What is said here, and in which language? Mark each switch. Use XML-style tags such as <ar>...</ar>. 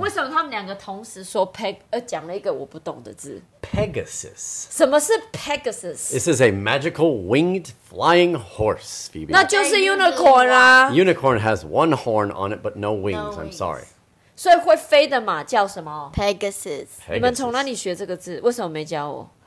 <zh>为什么他们两个同时说 讲了一个我不懂的字?</zh> <en>Pegasus.</en> <zh>什么是 Pegasus?</zh> <en>This is a magical winged flying horse, Phoebe.</en> <zh>那就是 unicorn 啊。</zh> <en>Unicorn has one horn on it, but no wings. No wings. I'm sorry.</en> <zh>所以会飞的马叫什么</zh> <en>Pegasus.</en> <zh>你们从哪里学这个字为什么没教我</zh>